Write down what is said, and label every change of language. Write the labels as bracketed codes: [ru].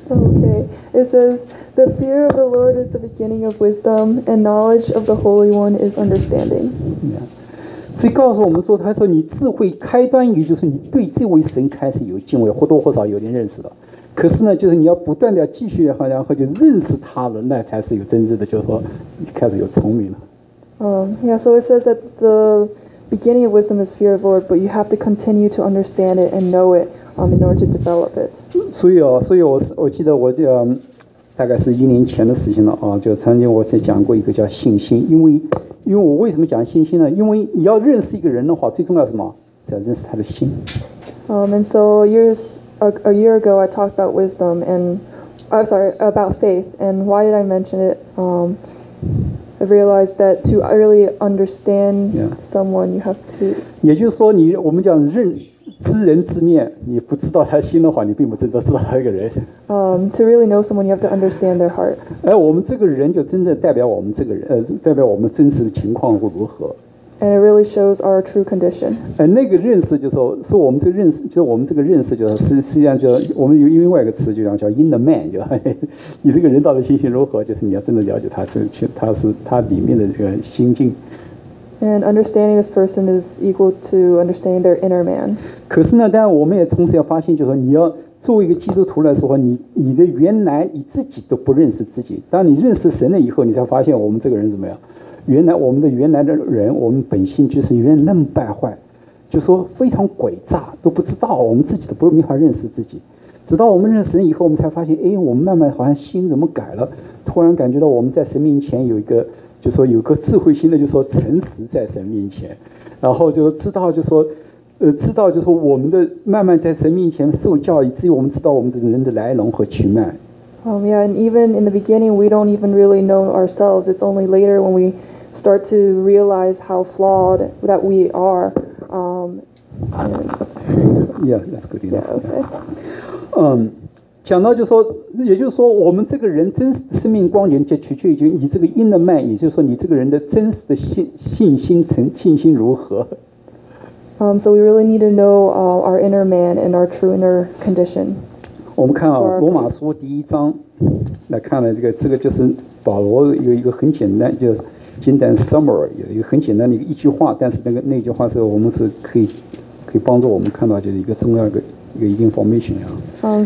[en] Okay, it says, "The fear of the Lord is the beginning of wisdom, and knowledge of the Holy One is understanding." Yeah. [zh] 所以告诉我们说，他说你智慧开端于就是你对这位神开始有敬畏，或多或少有点认识的。可是呢，就是你要不断的继续，然后就认识他了，那才是有真正的，就是说你开始有聪明了。 [en] Yeah. So it says that the beginning of wisdom is fear of the Lord, but you have to continue to understand it and know it, in order to develop it. [zh] 所以我记得我就大概是一年前的事情了就曾经我才讲过一个叫信心，因为我为什么讲信心呢？因为你要认识一个人的话，最重要是什么？是要认识他的心。 [en] And so a year ago, I talked about wisdom and, about faith. And why did I mention it? I realized that to really understand someone, you have to. [zh] 也就是说你，我们讲认知人知面，你不知道他的心的话，你并不真的知道他一个人。 [en] To really know someone, you have to understand their heart. [zh] 我们这个人就真正代表我们这个人，代表我们真实的情况会如何。 [en] And it really shows our true condition. [zh] 那个认识就是说，是我们这个认识，就是我们这个认识，就是实际上就我们有另外一个词，就叫 [en] in the man， [zh] 就你这个人到底心性如何，就是你要真的了解他，他是他里面的这个心境。 [en] And understanding this person is equal to understanding their inner man. [zh] 可是呢，但我们也同时要发现，就是说，你要作为一个基督徒来说，你的原来你自己都不认识自己。当你认识神了以后，你才发现我们这个人怎么样？原来我们的原来的人，我们本性就是原来那么败坏，就说非常诡诈，都不知道我们自己都不明白认识自己。直到我们认识神以后，我们才发现，哎，我们慢慢好像心怎么改了？突然感觉到我们在神面前有一个。就说有个智慧心的，就说诚实在神面前，然后就知道，就说，知道，就说我们的慢慢在神面前受教，以至于我们知道我们这个人的来龙和去脉。 [en] Yeah, and even in the beginning, we don't even really know ourselves. It's only later when we start to realize how flawed that we are. Yeah, that's good enough. Yeah, okay. [zh] 讲到就是说，也就是说，我们这个人真实的生命光源就取决于你这个 [en] inner man， [zh] 也就是说，你这个人的真实的信心如何。 [en] So we really need to know our inner man and our true inner condition. [zh] 我们看啊，罗马书第一章来看了这个就是保罗有一个很简单，就是简单 summary， 有一个很简单的一句话，但是那句话是我们是可以帮助我们看到就是一个重要的一个 information 啊。